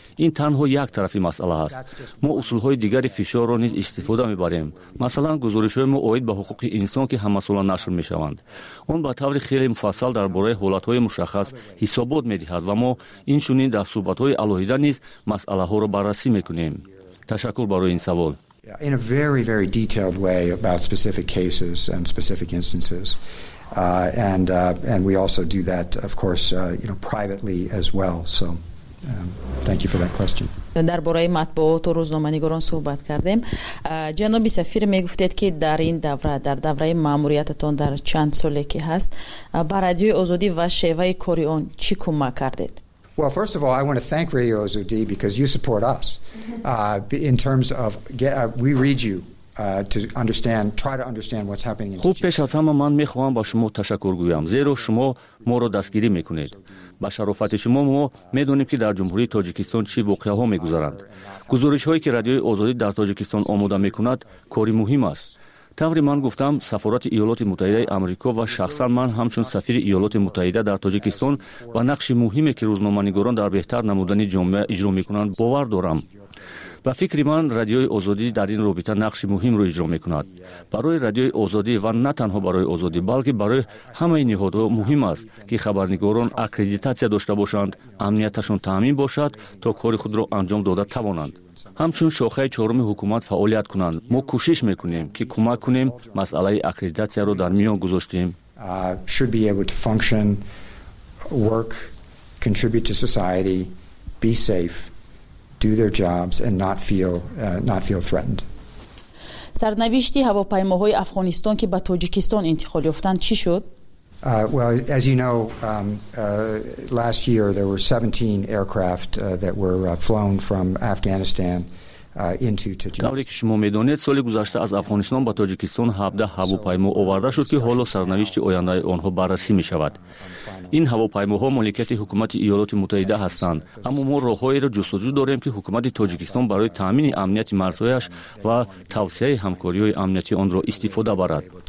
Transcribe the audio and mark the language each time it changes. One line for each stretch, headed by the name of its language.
Persian: این تنها یک طرفی مسئله است. ما اصول های دیگری فشار را نیز استفاده میبریم. مثلا گزارش های ما اوید به حقوق انسان که همسالا نشر میشوند. اون به طور خیلی مفصل در باره حالت های مشخص حسابات میدهد و ما این چنین در صحبت های علاهیده نیز مسئله ها را بررسی میکنیم. تشکر برای این سوال.
English: In a very, very detailed way about specific cases and specific instances. And we also do that, of course, you know, privately as well. So, thank you for that question.
Persian: در باره مطبوعات و روزنامه‌نگاران صحبت کردیم. جناب سفیر میگفتید که در این دوره، در دوره ماموریتتان در چند سالی که هست، بر رادیو آزادی و شیوه کاری آن چی کمک کردید؟
English: Well, first of all, I want to thank Radio Azadi because you support us. In terms of, we read you. To understand what's happening in
Persian: خوب پیش از همه من میخواهم با شما تشکر گویم زیرا شما ما را دستگیری میکنید با شرافت شما ما میدونیم که در جمهوری تاجیکستان چی واقعه ها میگذرند گزارش هایی که رادیوی آزادی در تاجیکستان آماده میکند کاری مهم است طوری من گفتم سفارت ایالات متحده آمریکا و شخصا من همچون سفیر ایالات متحده در تاجیکستان و نقش مهمی که روزنامه‌نگاران در بهتر نمودن جامعه اجرا میکنند باور دارم با فکر من رادیوی آزادی در این رابطه نقش مهم رو اجرا میکند برای رادیوی آزادی و نه تنها برای آزادی بلکه برای همه نهادها مهم است که خبرنگاران اکریدیتاسیا داشته باشند امنیتشون تامین باشد تا کار خود را انجام داده توانند همچون شاخه چهارم حکومت فعالیت کنند ما کوشش میکنیم که کمک کنیم مساله اکریدیتاسیا رو در میان گذاشتیم
English: should be able to function work contribute to society be safe do their jobs and not feel threatened.
Persian: سرنوشتی هواپیماهای افغانستان که به تاجیکستان انتقال یافتند چی شد؟
English: Well, as you know, last year there were 17 aircraft that were flown from Afghanistan into Tajikistan.
Persian: طوری که شما میدونید سال گذشته از افغانستان به تاجیکستان 17 هواپیما آورده شد که حالا سرنوشت آینده آنها بررسی می شود. این هواپیماها مالکیت حکومت ایالات متحده هستند اما ما راههایی را جستجو داریم که حکومت تاجیکستان برای تامین امنیت مرزهایش و توسعه همکاری های امنیتی آن را استفاده برد